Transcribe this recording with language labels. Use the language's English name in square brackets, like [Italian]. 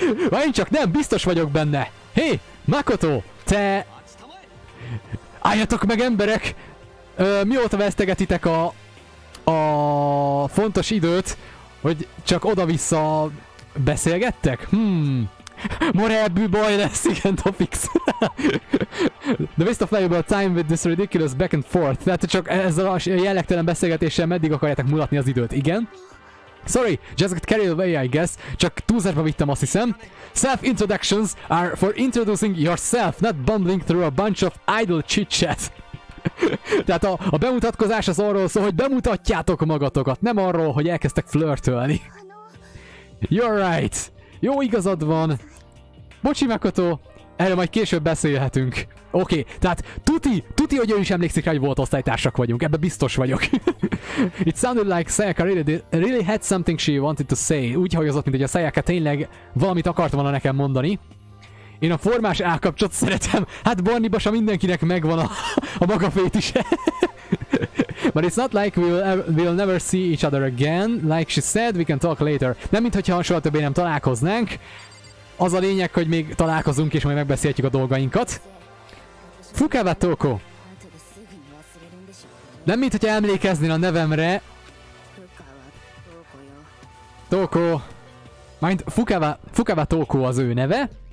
[Hungarian] Vagy csak nem, biztos vagyok benne. Hey, Makoto, te... Álljatok meg, emberek! Mióta vesztegetitek a fontos időt, hogy csak oda-vissza beszélgettek? Morebbű baj lesz, igen, topics. [English] The waste of valuable time with this ridiculous back and forth. [Hungarian] Tehát csak ezzel a jellegtelen beszélgetéssel meddig akarjátok mulatni az időt, igen? [English] Sorry, just got carried away, I guess. [Hungarian] Csak túlzásba vittem, azt hiszem. [English] Self-introductions are for introducing yourself, not bumbling through a bunch of idle chit-chat. [Hungarian] Tehát a bemutatkozás az arról szól, hogy bemutatjátok magatokat, nem arról, hogy elkezdtek flörtölni. [English] You're right. [Hungarian] Jó, igazad van. Bocsi, Makoto. Erről majd később beszélhetünk. Oké, tehát tuti, hogy ő is emlékszik rá, hogy volt osztálytársak vagyunk. Ebben biztos vagyok. [English] It sounded like Sayaka really had something she wanted to say. [Hungarian] Úgy hallgatott, mint hogy a Sayaka tényleg valamit akart volna nekem mondani. Én a formás állkapcsot szeretem. Hát Barni Basa, mindenkinek megvan a maga fétise. [English] But it's not like we'll never see each other again. Like she said, we can talk later. [Hungarian] Nem, mintha soha többé nem találkoznánk. Az a lényeg, hogy még találkozunk, és majd megbeszéljük a dolgainkat. Fukawa Toko. Nem, mintha emlékeznél a nevemre. Toko. Mind Fukawa Toko az ő neve.